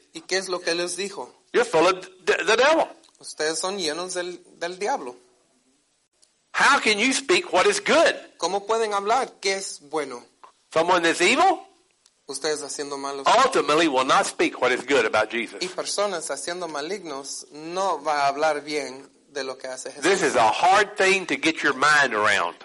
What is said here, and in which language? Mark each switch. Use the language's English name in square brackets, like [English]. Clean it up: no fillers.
[Spanish] ¿Y qué es lo que les dijo? [English] You're full of the devil. [Spanish] Ustedes son llenos del diablo. [English] How can you speak what is good? [Spanish] ¿Cómo pueden hablar qué es bueno? [English] Someone that's evil? [Spanish] Ustedes haciendo malos. [English] Ultimately will not speak what is good about Jesus. [Spanish] Y personas haciendo malignos no va a hablar bien de lo que hace Jesús. [English] This is a hard thing to get your mind around.